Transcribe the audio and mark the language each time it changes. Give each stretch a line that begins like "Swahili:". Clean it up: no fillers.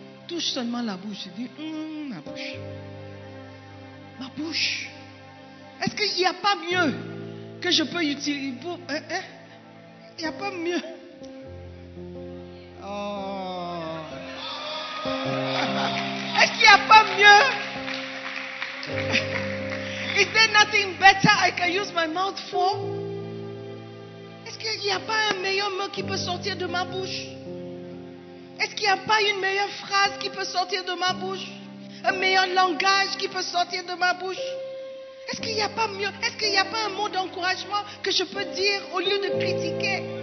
French: touche seulement la bouche, je dis, ma bouche. Ma bouche. Est-ce qu'il n'y a pas mieux que je peux utiliser pour... Hein? Il n'y a pas mieux. Oh. Est-ce qu'il n'y a pas mieux?
English: Is there nothing better I can use my mouth for?
French: Est-ce qu'il n'y a pas un meilleur mot qui peut sortir de ma bouche? Est-ce qu'il n'y a pas une meilleure phrase qui peut sortir de ma bouche? Un meilleur langage qui peut sortir de ma bouche? Est-ce qu'il n'y a pas mieux? Est-ce qu'il n'y a pas un mot d'encouragement que je peux dire au lieu de critiquer?